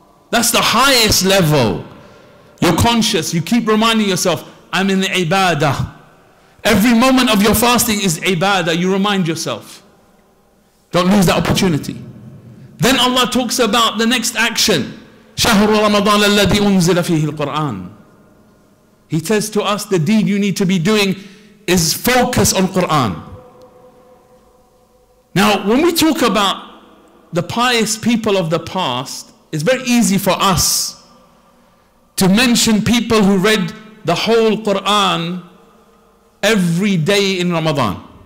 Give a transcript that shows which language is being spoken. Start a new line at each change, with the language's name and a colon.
English: That's the highest level. You're conscious. You keep reminding yourself, I'm in the ibadah. Every moment of your fasting is ibadah. You remind yourself. Don't lose that opportunity. Then Allah talks about the next action.
Arabic: شهر رمضان الذي أنزل فيه القرآن.
English: He says to us, the deed you need to be doing is focus on Quran. Now, when we talk about the pious people of the past, it's very easy for us to mention people who read the whole Quran every day in Ramadan.